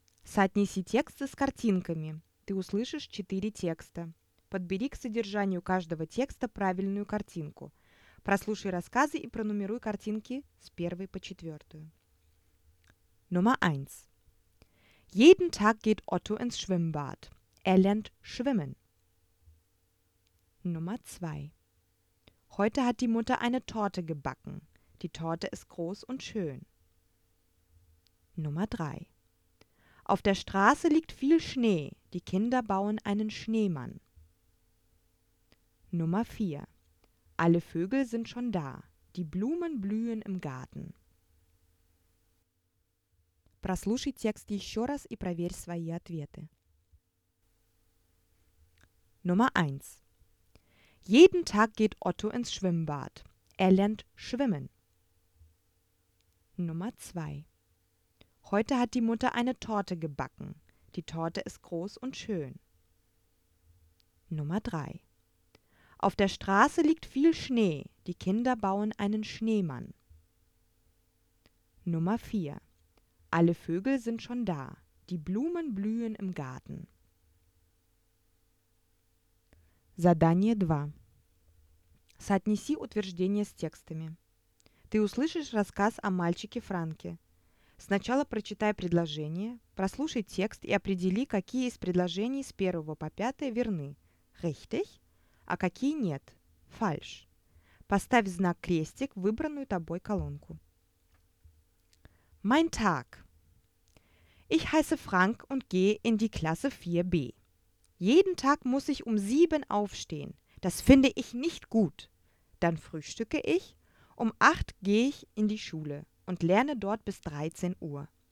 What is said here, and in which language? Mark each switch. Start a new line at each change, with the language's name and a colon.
Russian: Соотнеси тексты с картинками. Ты услышишь 4 текста. Подбери к содержанию каждого текста правильную картинку. Прослушай рассказы и пронумеруй картинки с 1 по 4.
German: Nummer 1. Jeden Tag geht Otto ins Schwimmbad. Lernt schwimmen. Nummer 2. Heute hat die Mutter eine Torte gebacken. Die Torte ist groß und schön. Nummer 3. Auf der Straße liegt viel Schnee. Die Kinder bauen einen Schneemann. Nummer 4. Alle Vögel sind schon da. Die Blumen blühen im Garten.
Russian: Прослушай текст еще раз и проверь свои ответы.
German: Nummer 1. Jeden Tag geht Otto ins Schwimmbad. Lernt schwimmen. Nummer 2. Heute hat die Mutter eine Torte gebacken. Die Torte ist groß und schön. Nummer 3. Auf der Straße liegt viel Schnee. Die Kinder bauen einen Schneemann. Nummer 4. Alle Vögel sind schon da. Die Blumen blühen im Garten.
Russian: Задание 2. Соотнеси утверждения с текстами. Ты услышишь рассказ о мальчике Франке. Сначала прочитай предложение, прослушай текст и определи, какие из предложений с 1 по 5 верны.
German: Richtig?
Russian: А какие нет?
German: Falsch.
Russian: Поставь знак крестик в выбранную тобой колонку.
German: Mein Tag. Ich heiße Frank und gehe in die Klasse 4b. Jeden Tag muss ich 7 aufstehen. Das finde ich nicht gut. Dann frühstücke ich. 8 gehe ich in die Schule und lerne dort bis 13 Uhr.